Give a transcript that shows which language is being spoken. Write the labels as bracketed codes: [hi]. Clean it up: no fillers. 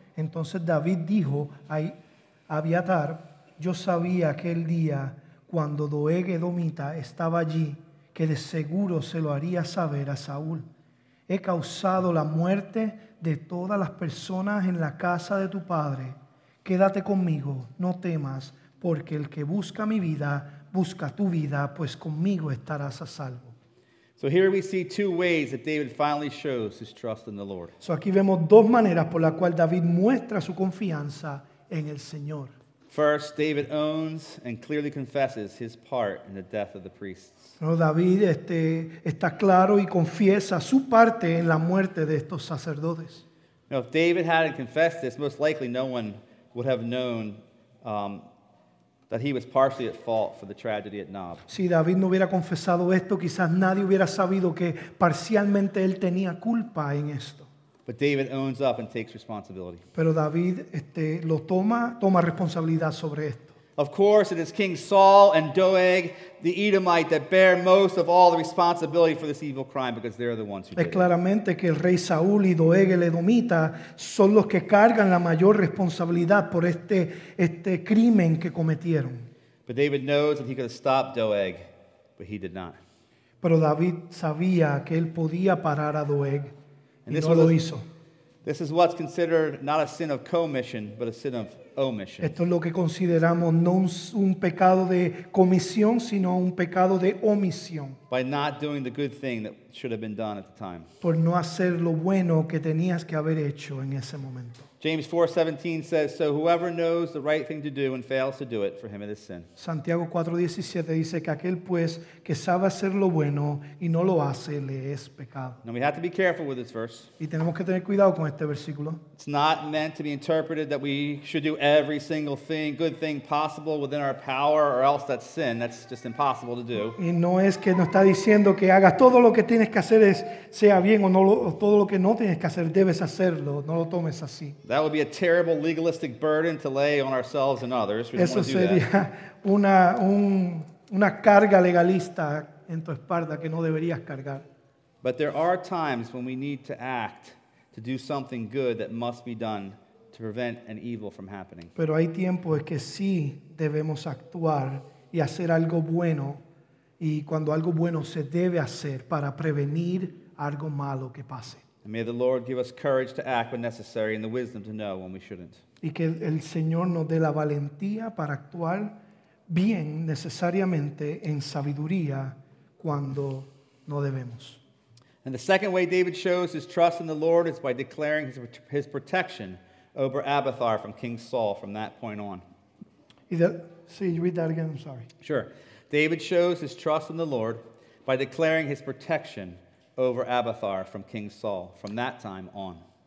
[es] Entonces David dijo a Abiathar, yo sabía aquel día cuando Doeg Edomita estaba allí que de seguro se lo haría saber a Saúl. He causado la muerte de todas las personas en la casa de tu padre. Quédate conmigo, no temas, porque el que busca mi vida, busca tu vida, pues conmigo estarás a salvo. [en] So here we see two ways that David finally shows his trust in the Lord. [es] So aquí vemos dos maneras por la cual David muestra su confianza en el Señor. [en] First, David owns and clearly confesses his part in the death of the priests. [es] No, David está claro y confiesa su parte en la muerte de estos sacerdotes. [en] Now, if David hadn't confessed this, most likely no one would have known that he was partially at fault for the tragedy at Nob. [es] Si David no hubiera confesado esto, quizás nadie hubiera sabido que parcialmente él tenía culpa en esto. [en] But David owns up and takes responsibility. [es] Pero David lo toma responsabilidad sobre esto. [en] Of course, it is King Saul and Doeg, the Edomite, that bear most of all the responsibility for this evil crime because they're the ones who did it. [es] Es claramente que el rey Saúl y Doeg el Edomita son los que cargan la mayor responsabilidad por este crimen que cometieron. [en] But David knows that he could have stopped Doeg, but he did not. [es] Pero David sabía que él podía parar a Doeg, y no lo hizo. [en] This is what's considered not a sin of commission, but a sin of omission. [es] Esto es lo que consideramos no un pecado de comisión, sino un pecado de omisión. [en] By not doing the good thing that should have been done at the time. [es] Por no hacer lo bueno que tenías que haber hecho en ese momento. [en] James 4:17 says, "So whoever knows the right thing to do and fails to do it, for him it is sin." [es] Santiago 4:17 dice que aquel pues que sabe hacer lo bueno y no lo hace le es pecado. [en] Now we have to be careful with this verse. [es] Y tenemos que tener cuidado con este versículo. [en] It's not meant to be interpreted that we should do every single thing, good thing possible within our power, or else that's sin. That's just impossible to do. [es] Y no es que nos está diciendo que hagas todo lo que tienes que hacer es sea bien o no lo todo lo que no tienes que hacer debes hacerlo. No lo tomes así. [en] That would be a terrible legalistic burden to lay on ourselves and others. We don't want to do [es] that. Eso sería una carga legalista en tu espalda que no deberías cargar. [en] But there are times when we need to act to do something good that must be done to prevent an evil from happening. [es] Pero hay tiempos es que sí debemos actuar y hacer algo bueno, y cuando algo bueno se debe hacer para prevenir algo malo que pase. [en] May the Lord give us courage to act when necessary and the wisdom to know when we shouldn't. [es] Y que el Señor nos dé la valentía para actuar bien necesariamente en sabiduría cuando no debemos. [en] And the second way David shows his trust in the Lord is by declaring his protection over Abiathar from King Saul from that point on. You read that again, I'm sorry. Sure. David shows his trust in the Lord by declaring his protection over Abiathar from King Saul from that time on.